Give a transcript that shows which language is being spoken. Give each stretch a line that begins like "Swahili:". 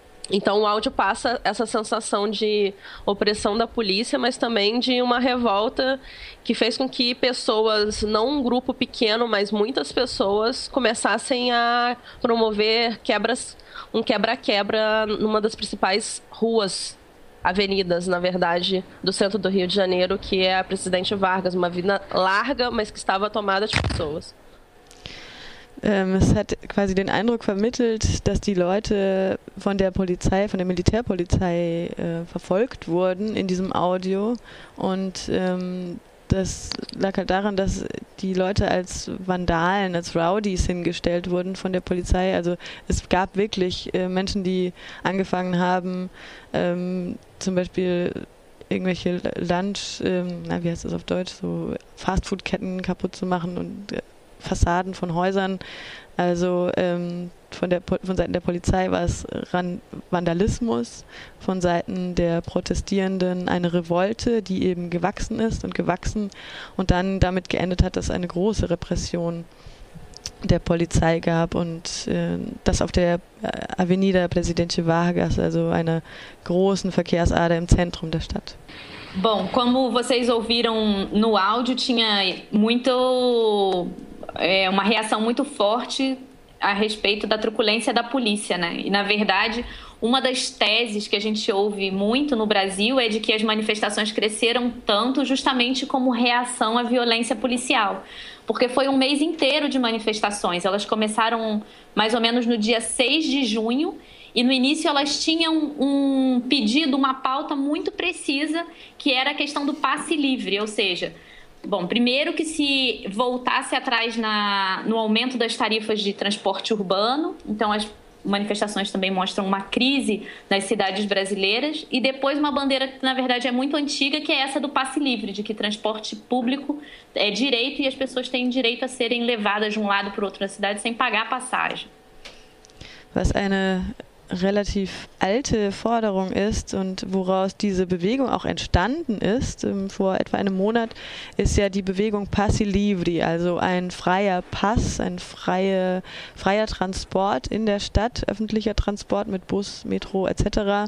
Portuguese: Então o áudio passa essa sensação de opressão da polícia, mas também de uma revolta que fez com que pessoas, não um grupo pequeno, mas muitas pessoas, começassem a promover quebras, um quebra-quebra numa das principais ruas, avenidas, na verdade, do centro do Rio de Janeiro, que é a Presidente Vargas, uma avenida larga, mas que estava tomada de pessoas.
German: Es hat quasi den Eindruck vermittelt, dass die Leute von der Polizei, von der Militärpolizei verfolgt wurden in diesem Audio. Und das lag halt daran, dass die Leute als Vandalen, als Rowdies hingestellt wurden von der Polizei. Also es gab wirklich Menschen, die angefangen haben, zum Beispiel irgendwelche Lunch, wie heißt das auf Deutsch, so Fastfood-Ketten kaputt zu machen und Fassaden von Häusern, also von Seiten der Polizei war es Vandalismus, von Seiten der Protestierenden eine Revolte, die eben gewachsen ist und gewachsen und dann damit geendet hat, dass es eine große Repression der Polizei gab und das auf der Avenida Presidente Vargas, also einer großen Verkehrsader im Zentrum der Stadt.
Portuguese: Bom, como vocês ouviram no áudio, tinha muito... uma reação muito forte a respeito da truculência da polícia, né? E, na verdade, uma das teses que a gente ouve muito no Brasil é de que as manifestações cresceram tanto justamente como reação à violência policial. Porque foi um mês inteiro de manifestações. Elas começaram mais ou menos no dia 6 de junho e, no início, elas tinham um pedido, uma pauta muito precisa, que era a questão do passe livre, ou seja... Bom, primeiro que se voltasse atrás no aumento das tarifas de transporte urbano, então as manifestações também mostram uma crise nas cidades brasileiras, e depois uma bandeira que na verdade é muito antiga, que é essa do passe livre, de que transporte público é direito e as pessoas têm direito a serem levadas de um lado para o outro na cidade sem pagar a passagem.
German: Was eine relativ alte Forderung ist und woraus diese Bewegung auch entstanden ist, vor etwa einem Monat, ist ja die Bewegung Passi Livri, also ein freier Pass, ein freier Transport in der Stadt, öffentlicher Transport mit Bus, Metro etc.